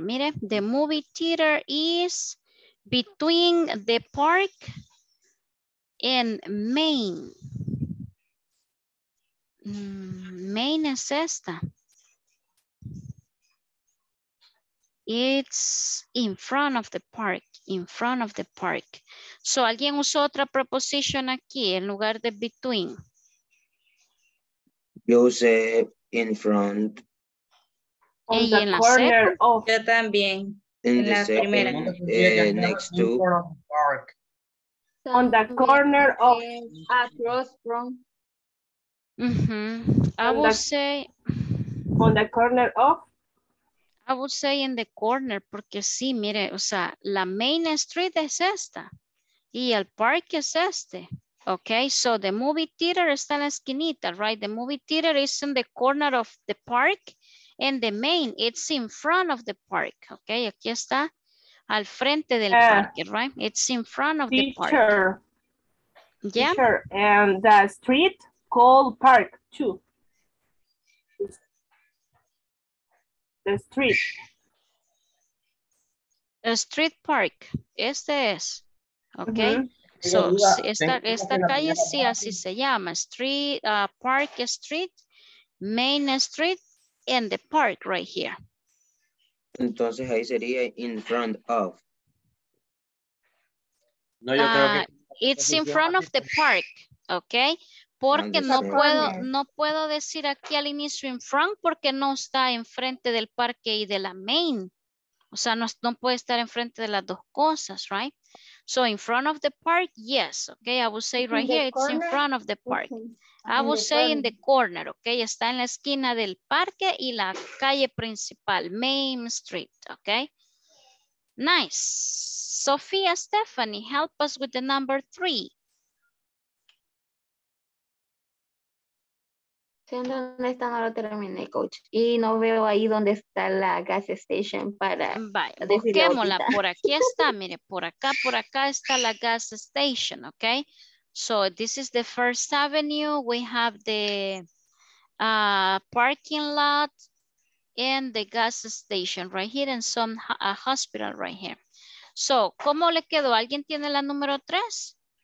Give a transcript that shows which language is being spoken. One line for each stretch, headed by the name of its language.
Spanish: Mire,
English: the movie theater is between the park and Main.
Spanish: Main es esta.
English: It's in front of the park, in front of the park.
Spanish: So, ¿alguien usó otra preposición aquí en lugar de between? Yo usé
English: in front. On the
Spanish: en la
English: corner
Spanish: of. Yo también.
English: In the second, next to. Park. On the corner of, across from. Mm-hmm. On the corner of. I would say in the corner,
Spanish: porque sí, mire, o sea, la main street es esta y el parque es este.
English: Okay, so the movie theater
Spanish: está en la esquinita,
English: right? The movie theater is in the corner of the park and the main, it's in front of the park.
Spanish: Okay, aquí está al frente del parque, right?
English: It's in front of teacher, the park. Yeah. Teacher, and the street called park too. The street. A street park.
Spanish: Este es.
English: Ok. Mm-hmm.
Spanish: So, esta calle sí, así se llama.
English: Street, Park Street, Main Street, and the park right here.
Spanish: Entonces ahí sería
English: in front of.
Spanish: No, yo creo que.
English: It's in front of the park. Ok.
Spanish: Porque no puedo decir aquí al inicio
English: in front
Spanish: porque no está enfrente del parque y de la main. O sea, no puede estar enfrente de las dos cosas, right?
English: So in front of the park, yes. Okay, I would say right in here, corner? It's in front of the park. Okay. I would say corner. In the corner, okay?
Spanish: Está en la esquina del parque y la calle principal, Main Street, okay?
English: Nice. Sofía, Stephanie, help us with the number three.
Spanish: Siendo honesta, no lo terminé, coach. Y no veo ahí dónde está la gas station para. Vaya, busquémosla. Por aquí está, mire, por acá está la gas station, ¿ok?
English: So, this is the First Avenue. We have the parking lot. in the gas station right here and some a hospital right here.
Spanish: So, ¿cómo le quedó? ¿Alguien tiene la número 3?